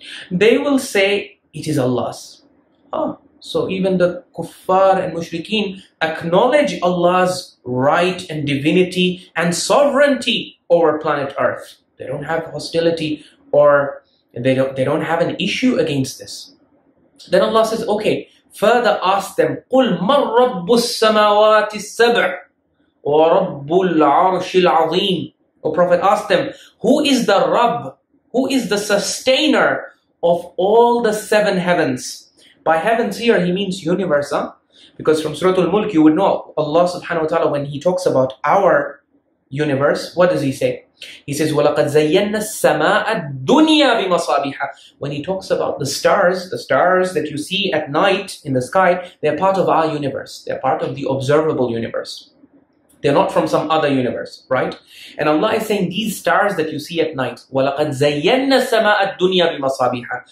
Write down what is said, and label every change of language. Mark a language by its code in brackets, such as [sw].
[en] They will say, it is Allah's. Oh, so even the kuffar and mushrikeen acknowledge Allah's right and divinity and sovereignty over planet Earth. They don't have hostility or they don't have an issue against this. Then Allah says, okay, further ask them, [ar] قُلْ مَنْ رَبُّ السَّمَوَاتِ السَّبْعِ وَرَبُّ الْعَرْشِ الْعَظِيمِ. [en] O Prophet, ask them, who is the Rabb, who is the sustainer of all the seven heavens? By heavens here, he means universe, huh? Because from Surah Al-Mulk, you would know Allah subhanahu wa ta'ala, when he talks about our universe, what does he say? He says, [ar] وَلَقَدْ زَيَّنَّا السَّمَاءَ الدُّنْيَا بِمَصَابِحَ. [en] When he talks about the stars that you see at night in the sky, they're part of our universe. They're part of the observable universe. They're not from some other universe, right? And Allah is saying, these stars that you see at night, [ar] وَلَقَدْ زَيَّنَّا السَّمَاءَ الدُّنْيَا بِمَصَابِحَ.